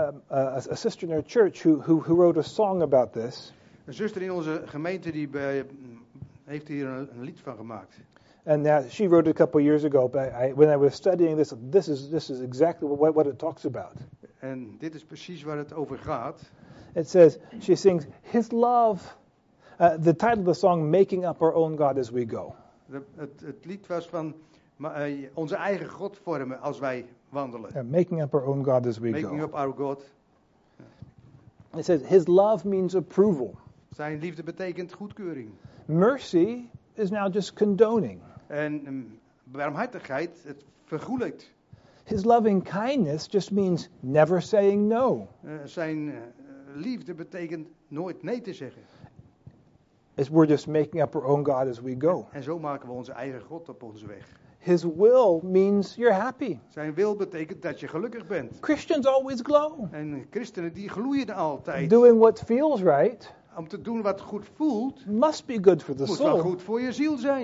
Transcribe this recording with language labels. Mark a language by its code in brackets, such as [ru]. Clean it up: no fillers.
[en] A sister in our church who wrote a song about this. [nl] Een zuster in onze gemeente die heeft hier een lied van gemaakt. [en] And she wrote it a couple years ago, but when I was studying this, this is exactly what it talks about. [nl] En dit is precies waar het over gaat. [en] It says, she sings, His love, the title of the song, Making Up Our Own God As We Go. [nl] Het lied was van onze eigen God vormen als wij wandelen. [en] Making up our own God as we making go. Making up our God. It says, His love means approval. [nl] Zijn liefde betekent goedkeuring. [en] Mercy is now just condoning. [nl] En barmhartigheid, het vergoelijkt. [en] His loving kindness just means never saying no. [nl] Zijn liefde betekent nooit nee te zeggen. [en] It's we're just making up our own God as we go. [nl] En zo maken we onze eigen God op onze weg. [en] His will means you're happy. [nl] Zijn wil betekent dat je gelukkig bent. [en] Christians always glow. [nl] En christenen die gloeien altijd. [en] Doing what feels right. [nl] Om te doen wat goed voelt. [en] Must be good for the [nl] moet [en] soul. [nl] Moet wel goed voor je ziel zijn.